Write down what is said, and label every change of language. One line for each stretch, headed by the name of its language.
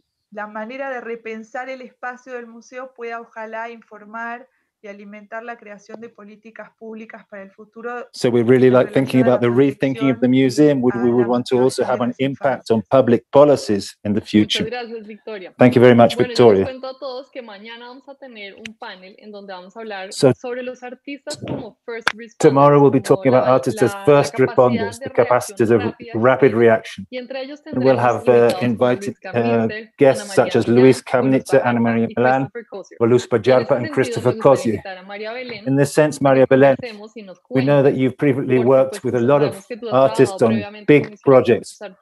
Spanish: La manera de repensar el espacio del museo pueda ojalá informar y alimentar la creación de políticas públicas para el futuro.
English: So we really like thinking about the rethinking of the museum. We would want to also have an impact on public policies in the future.
Spanish: Muchas gracias, Victoria.
English: Thank you very much, Victoria.
Spanish: Bueno, les cuento a todos que mañana vamos a tener un panel en donde vamos a hablar sobre los artistas como first responders.
English: Tomorrow we'll be talking about artists as first responders, the capacities of rapid reaction.
Spanish: Y entre ellos tendremos
English: and we'll have invited guests such as Luis Camnitzer, Ana María Milán, Voluspa Yarpa, and Christopher Cosio. In this sense, María Belén, we know that you've previously worked with a lot of artists on big projects.